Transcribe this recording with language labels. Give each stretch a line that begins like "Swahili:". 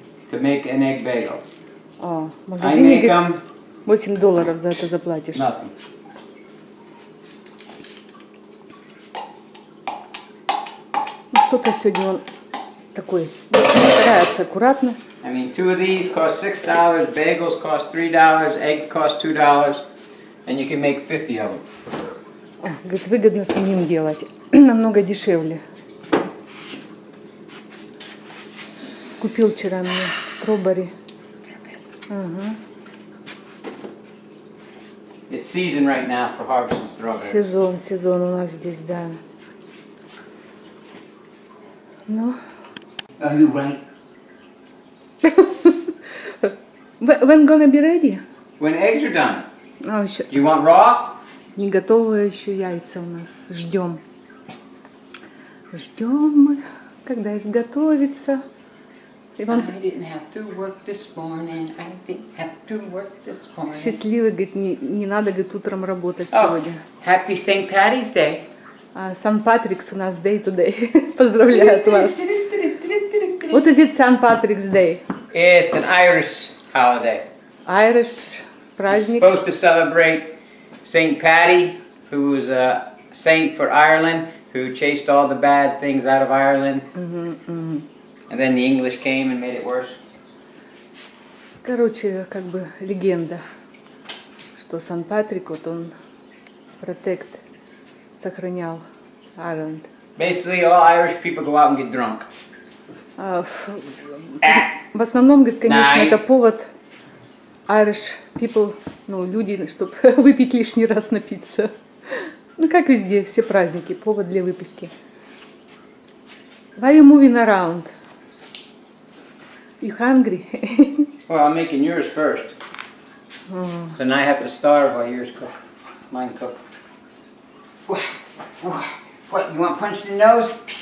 English: To make an egg bagel.
Russian: О, в магазине, говорит, $8 за это заплатишь.
English: Nothing.
Russian: Ну что-то сегодня он такой, не старается аккуратно.
English: I mean, two of these cost $6, bagels cost $3, eggs cost $2, and you can make 50 of them.
Russian: Говорит, выгодно самим делать, намного дешевле. Купил вчера мне стробери. Ага.
English: It's season right now for harvesting strawberries.
Russian: Сезон у нас здесь, да. Ну.
English: Are you right? When gonna be ready? When eggs are done. Oh,
Russian: еще.
English: You want raw?
Russian: Не готовы еще яйца у нас. Ждем. Ждем мы, когда изготовится. Иван...
English: I didn't have to work this morning. I didn't have to work this morning.
Russian: Счастливый, говорит, не надо, говорит, утром работать сегодня.
English: Oh, happy St. Patty's Day.
Russian: Сан-Патрикс у нас
English: day to day.
Russian: Поздравляю от вас.
English: What is it, St. Patrick's Day? It's an Irish holiday. Irish
Russian: праздник.
English: It's supposed to celebrate St. Patty, who was a saint for Ireland, who chased all the bad things out of Ireland. Mm-hmm, mm-hmm. And then the English came and made it worse.
Russian: Короче, как бы легенда, что Сан-Патрик, вот он протект, сохранял Ireland.
English: Basically, all Irish people go out and get drunk.
Russian: В основном, говорит, конечно, это повод
English: Irish people,
Russian: ну, люди, чтобы выпить лишний раз, напиться. Ну, как везде, все праздники, повод для выпивки.
English: Why are you moving around? You hungry? Well, I'm making yours first. Then I have to starve while yours cook. Mine cook. What, you want punched in the nose?